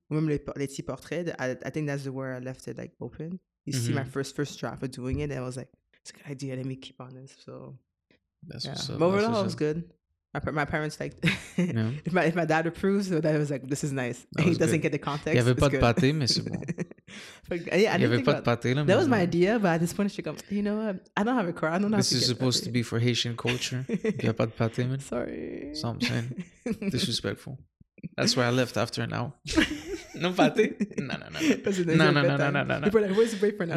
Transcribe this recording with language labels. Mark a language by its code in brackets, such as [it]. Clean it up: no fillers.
[fr] Même les petits portraits, [en] I think that's where I left it, like, open. You mm-hmm. see my first draft of doing it, and I was like, it's a good idea, let me keep on this, so... That's yeah. what's up. But overall, it was good. My parents liked yeah. if my dad approves, so that was like, this is nice. That he doesn't good. Get the context. [fr] Il n'y avait pas de pâté, mais c'est bon. Yeah, il n'y avait pas de pâté. [en] Là, that was my idea, but at this point, [fr] je suis comme, [en] you know what? I don't have a crown. This is supposed to be for Haitian culture. [fr] Il n'y a pas de pâté, man. [en] Sorry. So I'm saying, disrespectful. That's where I left after an hour. No pâté? No. People are like, where's the break for now?